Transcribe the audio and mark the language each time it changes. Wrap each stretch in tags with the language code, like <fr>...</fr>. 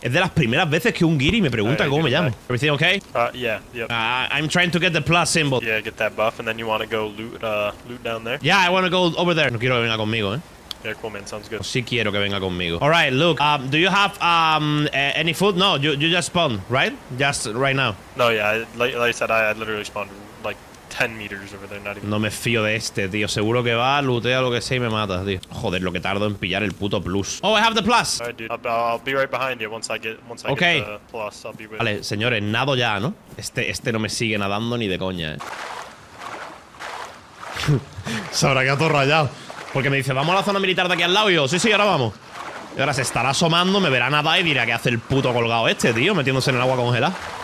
<es>Es de las primeras veces que un guiri me pregunta cómo me llamo.</es> <en>Everything okay? Yeah. I'm trying to get the plus symbol. Yeah, get that buff, and then you want to go loot down there. Yeah, I want to go over there.</en> <es>No quiero que venga conmigo, ¿eh?</es> <en>Yeah, cool, man. Sounds good.</en> <es>Sí quiero que venga conmigo.</es> <en>All right, look. Do you have any food? No, you just spawned, right? Just right now. No, yeah. Like I said, I literally spawned like 10 meters over there, not even.</en> <es>No me fío de este, tío. Seguro que va, lootea lo que sea y me mata, tío. Joder, lo que tardo en pillar el puto plus.</es> <en>Oh, I have the plus. All right, dude. I'll be right behind you once I get the plus. I'll be with</en> <es>vale,</es> <en>you.</en> <es>Vale, señores, nado ya, ¿no? Este no me sigue nadando ni de coña, ¿eh? Se habrá quedado todo rayado. Porque me dice, ¿vamos a la zona militar de aquí al lado? Y yo, sí, ahora vamos. Y ahora se estará asomando, me verá nadar y dirá qué hace el puto colgado este, tío, metiéndose en el agua congelada.</es>